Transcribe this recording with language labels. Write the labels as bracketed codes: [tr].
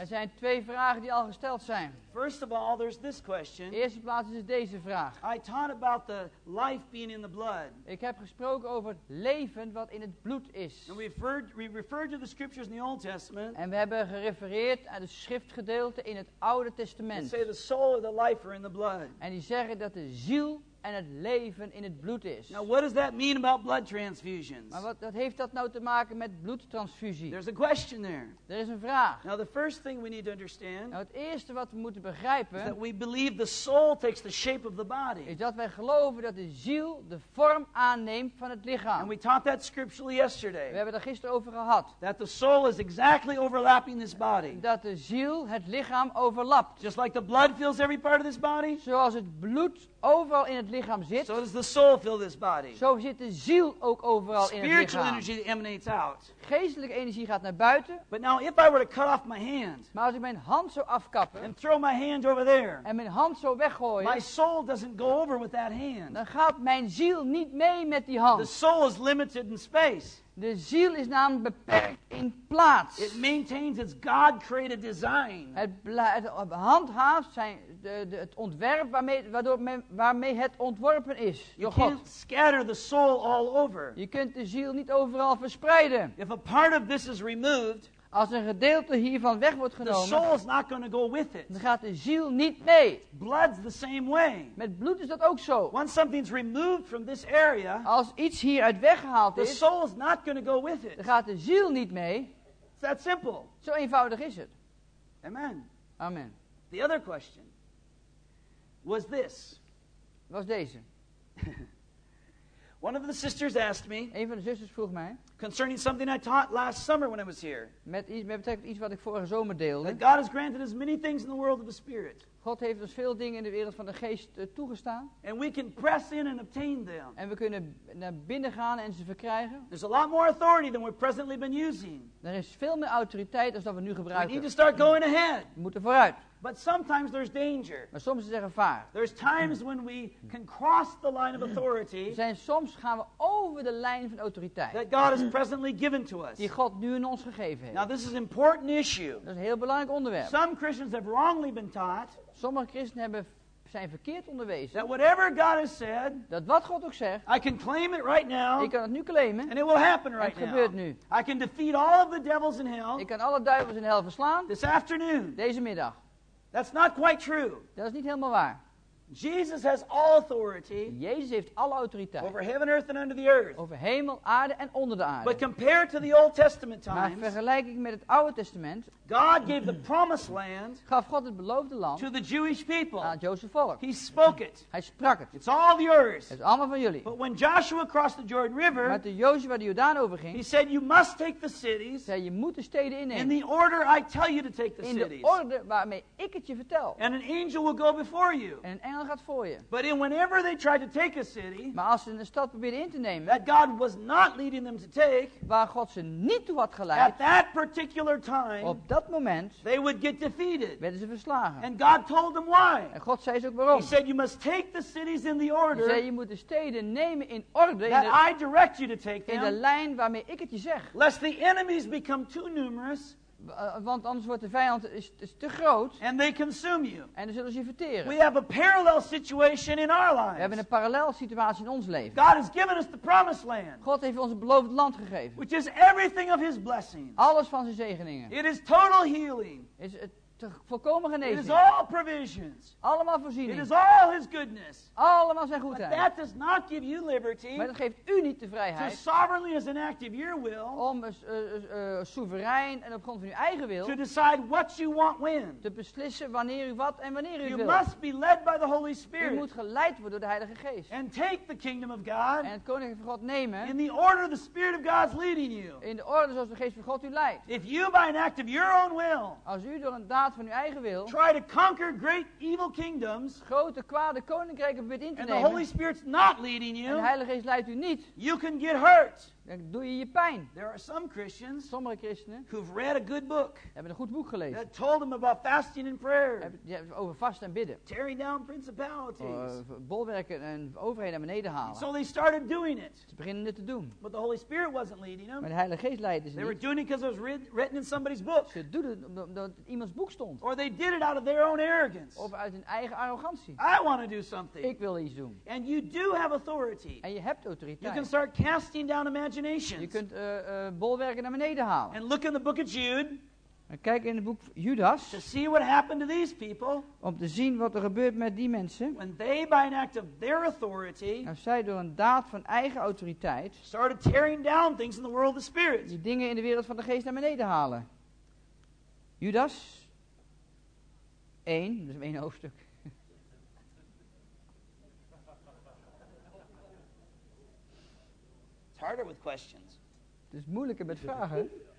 [nl] Er zijn twee vragen die al gesteld zijn. [en] First of all, there's this question. [nl] Eerste plaats is deze vraag. [en] I taught about the life being in the blood. [nl] Ik heb gesproken over het leven wat in het bloed is. [en] And we referred to the scriptures in the Old Testament. [nl] En we hebben gerefereerd aan het schriftgedeelte in het Oude Testament. [en] Say the soul and the life are in the blood. [nl] En die zeggen dat de ziel en het leven in het bloed is. [en] Now what does that mean about blood transfusions? [nl] Maar wat heeft dat nou te maken met bloedtransfusie? [en] There's a question there. [nl] Er is een vraag. [en] Now the first thing we need to understand. [nl] Nou, het eerste wat we moeten begrijpen. [en] Is that we believe the soul takes the shape of the body. [nl] Is dat wij geloven dat de ziel de vorm aanneemt van het lichaam. [en] And we taught that scripturally yesterday. [nl] We hebben er gisteren over gehad. [en] That the soul is exactly overlapping this body. [nl] Dat de ziel het lichaam overlapt. [en] Just like the blood fills every part of this body. [nl] Zoals het bloed overal in het lichaam zit. [en] So does the soul fill this body. [nl] Zo zit de ziel ook overal [en] spiritual [nl] in het lichaam. [en] Energy emanates out. [nl] Geestelijke energie gaat naar buiten. [en] But now if I were to cut off my hand. [nl] Maar als ik mijn hand zou afkappen. [en] And throw my hand over there. [nl] En mijn hand zou weggooien. [en] My soul doesn't go over with that hand. [nl] Dan gaat mijn ziel niet mee met die hand. [en] The soul is limited in space. [nl] De ziel is namelijk beperkt in plaats. [en] It maintains its God-created design. [nl] Het handhaaft zijn het ontwerp waarmee het ontworpen is. [en] You can't scatter the soul all over. [nl] Je kunt de ziel niet overal verspreiden. [en] If a part of this is removed. [nl] Als een gedeelte hiervan weg wordt genomen, [en] the soul's not gonna go with it. [nl] Dan gaat de ziel niet mee. [en] Blood's the same way. [nl] Met bloed is dat ook zo. [en] Once something's removed from this area, [nl] als iets hieruit weggehaald [en] the [nl] is, [en] soul's not gonna go with it. [nl] Dan gaat de ziel niet mee. [en] It's that simple. [nl] Zo eenvoudig is het. [en] Amen. [nl] Amen. [en] The other question was this. [nl] Was deze. [en] One of the sisters asked me. [nl] Een van de zusters vroeg mij. [en] Concerning something I taught last summer when I was here. [nl] Met betrekking tot iets wat ik vorige zomer deelde. [en] That God has granted us many things in the world of the spirit. [nl] God heeft ons veel dingen in de wereld van de geest toegestaan. [en] And we can press in and obtain them. [nl] En we kunnen naar binnen gaan en ze verkrijgen. [en] There's a lot more authority than we've presently been using. [nl] Er is veel meer autoriteit als dat we nu gebruiken. [en] We need to start going ahead. [nl] We moeten vooruit. [en] But sometimes there's danger. [nl] Maar soms is er gevaar. [en] There's times when we can cross the line of authority. [nl] Zijn soms gaan we over de lijn van autoriteit. [en] That God has presently given to us. [nl] Die God nu in ons gegeven heeft. [en] Now this is an important issue. [nl] Dat is een heel belangrijk onderwerp. [en] Some Christians have wrongly been taught. [nl] Sommige christenen zijn verkeerd onderwezen. [en] That whatever God has said, [nl] dat wat God ook zegt, [en] I can claim it right now, [nl] ik kan het nu claimen. [en] And it will happen right [nl] het gebeurt [en] now. [nl] Nu. [en] I can defeat all of the devils in hell, [nl] ik kan alle duivels in hel verslaan. [en] This afternoon. [nl] Deze middag. [en] That's not quite true. [nl] Dat is niet helemaal waar. [en] Jesus has all authority. [nl] Jezus heeft alle autoriteit. [en] Over heaven, earth and under the earth. [nl] Over hemel, aarde en onder de aarde. [en] But compared to the Old Testament times. [nl] Maar vergelijking met het Oude Testament. [en] God gave the promised land. [nl] Gaf God het beloofde land. [en] To the Jewish people. [nl] Aan het Joodse volk. [en] He spoke it. [nl] Hij sprak het. [en] It's all yours. [nl] Het is allemaal van jullie. [en] But when Joshua crossed the Jordan River. [nl] Maar toen Jozua de Jordaan overging. [en] He said you must take the cities. [nl] Zei je moet de steden innemen. [en] In the order I tell you to take the [nl] in [en] cities. [nl] In de orde waarmee ik het je vertel. [en] And an angel will go before you. [nl] En een engel gaat voor je. [en] But in whenever they tried to take a city, [nl] maar als ze een stad probeerden in te nemen, [en] that God was not leading them to take, [nl] waar God ze niet toe had geleid, [en] at that particular time, [nl] op dat moment, [en] they would get defeated. [nl] Werden ze verslagen. [en] And God told them why. [nl] En God zei ze ook waarom. [en] He said you must take the cities in the order. [nl] Zei je moet de steden nemen in orde. [en] That [nl] in de, [en] I direct you to take them. [nl] In de lijn waarmee ik het je zeg. [en] Lest the enemies become too numerous. [nl] Want anders wordt de vijand is te groot. [en] And they consume you. [nl] En dan zullen ze je verteren. [en] We have a parallel situation in our lives. [nl] We hebben een parallel situatie in ons leven. [en] God has given us the promised land. [nl] God heeft ons het beloofd land gegeven. [en] Which is everything of his blessings. [nl] Alles van zijn zegeningen. [en] It is total healing. [nl] Is het volkomen genezing. [en] It is all provisions. [nl] Allemaal voorziening. [en] It is all his goodness. [nl] Allemaal zijn goedheid. [en] But that does not give you liberty. [nl] Maar dat geeft u niet de vrijheid. [en] To sovereignly as an act of your will. [nl] Om soeverein en op grond van uw eigen wil. [en] To decide what you want when. [nl] Te beslissen wanneer u wat en wanneer u [en] you [nl] wilt. [en] You must be led by the Holy Spirit. [nl] U moet geleid worden door de Heilige Geest. [en] And take the kingdom of God. [nl] En het koninkrijk van God nemen. [en] In the order the Spirit of God's leading you. [nl] In de orde zoals de Geest van God u leidt. [en] If you by an act of your own will. [nl] Als u door een daad van uw eigen wil. [en] Try to conquer great evil kingdoms. [nl] Grote kwade koninkrijken probeert in te [en] and [nl] nemen. [en] The Holy Spirit's not leading you. [nl] En de Heilige Geest leidt u niet. [en] You can get hurt. [nl] Dan doe je je pijn. [en] There are some Christians, [nl] sommige christenen, [en] who've read a good book, [nl] hebben een goed boek gelezen. [en] That told them about fasting and prayer. [nl] Over vasten en bidden. [en] Tearing down principalities. [nl] Bolwerken en overheden naar beneden halen. [en] So they started doing it. [nl] Ze beginnen het te doen. [en] But the Holy Spirit wasn't leading them. [nl] Maar de Heilige Geest leidde ze niet. [en] They were doing it because it was written in somebody's book. [nl] Ze deden het omdat het iemands boek stond. [en] Or they did it out of their own arrogance. [nl] Of uit hun eigen arrogantie. [en] I want to do something. [nl] Ik wil iets doen. [en] And you do have authority. [nl] En je hebt autoriteit. [en] You can start casting down imagination. [nl] Je kunt bolwerken naar beneden halen. [en] And look in the book of Jude. [nl] En kijk in het boek Judas. [en] To see what happened to these people. [nl] Om te zien wat er gebeurt met die mensen. [en] When they, by an act of their authority, [nl] als zij door een daad van eigen autoriteit, [en] started tearing down things in the world of spirit. [nl] Die dingen in de wereld van de geest naar beneden halen. Judas 1, dat is één hoofdstuk. [en] Harder with questions. [nl] Het is moeilijker met vragen.